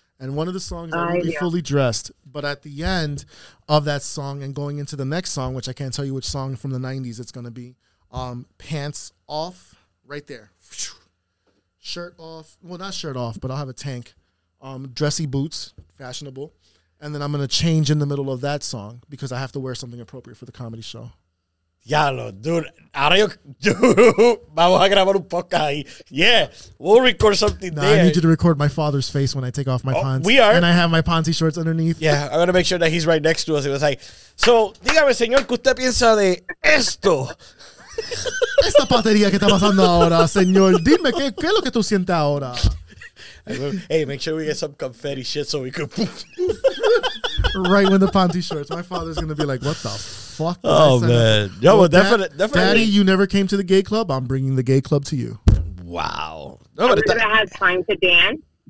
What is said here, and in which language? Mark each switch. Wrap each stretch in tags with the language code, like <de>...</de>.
<en>And one of the songs, I will be fully dressed. But at the end of that song and going into the next song, which I can't tell you which song from the 90s it's going to be, pants off right there. Shirt off. Well, not shirt off, but I'll have a tank. Dressy boots, fashionable. And then I'm going to change in the middle of that song because I have to wear something appropriate for the comedy show. Yalo, dude.</en> <es>Ahora yo, vamos a grabar un poco ahí.</es> <en>Yeah, we'll record something there. I need you to record my father's face when I take off my pants. We are. And I have my Ponty shorts underneath. Yeah, I'm going to make sure that he's right next to us. It was like, so, dígame, señor, ¿qué usted piensa de esto?</en> <es>Esta patería que está pasando ahora, señor. Dime, ¿qué es lo que tú sientes ahora?</es> <en>Hey, make sure we get some confetti shit so we can poof. Right when the Ponty shorts. My father's going to be like, what the fuck? Yo, well, definitely. Daddy, you never came to the gay club. I'm bringing the gay club to you. Wow. No, I'm going to have time to dance.</en>